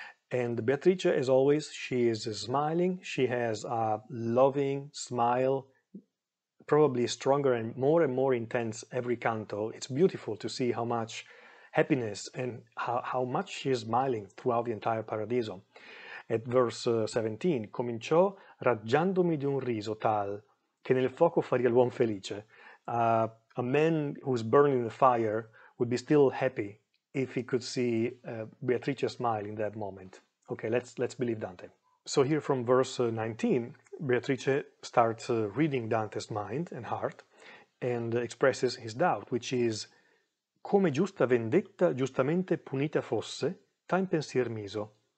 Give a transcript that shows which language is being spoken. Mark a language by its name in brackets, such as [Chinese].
[English] And Beatrice, as always, she is smiling. She has a loving smile, probably stronger and more intense every canto. It's beautiful to see how much happiness and how much she is smiling throughout the entire Paradiso. At verse 17, [Italian] cominciò raggiandomi di un riso tal che nel fuoco faria l'uomo felice. [English] A man who's burning the fire would be still happy if he could see Beatrice smile in that moment. Okay, let's believe Dante. So here from verse 19, Beatrice starts reading Dante's mind and heart and expresses his doubt, which is, [Italian] come giusta vendetta giustamente punita fosse, tan pensier miso.